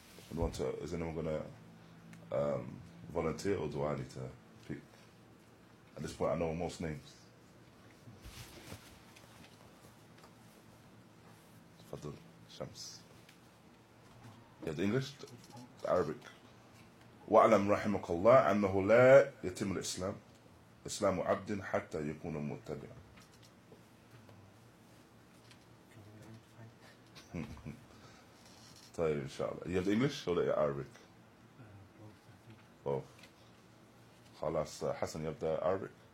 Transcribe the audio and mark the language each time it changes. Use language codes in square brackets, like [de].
[en] And want to, is anyone going to volunteer, or do I need to pick? At this point, I know most names. Fadl, Shams. Yeah, the English, the Arabic. [ar] وَعْلَمْ رَحِمَكَ اللَّهُ أَنَّهُ لَا يَتِمْ الْإِسْلَامُ إِسْلَامُ عَبْدٍ حَتَّى يَكُونَ مُتَّبِعًا طيب إن شاء الله [en] You have the English or the Arabic? Both [ar] خلاص حسن [en] you have the Arabic?